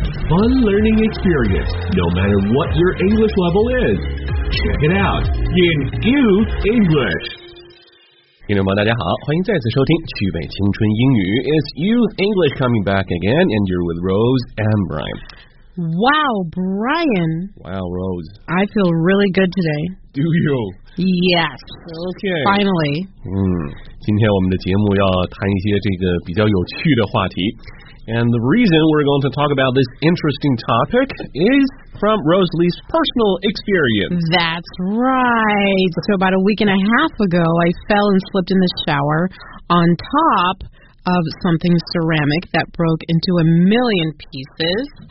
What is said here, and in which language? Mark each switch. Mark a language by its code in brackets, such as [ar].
[en] Fun learning experience, no matter what your English level is. Check it out in Use English. [zh] 听众朋友大家好，欢迎再次收听趣味青春英语。 [en] It's Youth English coming back again, and you're with Rose and Brian. Wow, Brian. Wow, Rose. I feel really good today. Do you? Yes. Okay. Finally. [zh] 今天我们的节目要谈一些这个比较有趣的话题。 [en] And the reason we're going to talk about this interesting topic is from Rose Lee's personal experience. That's right. So about a week and a half ago, I fell and slipped in the shower on top of something ceramic that broke into a million pieces.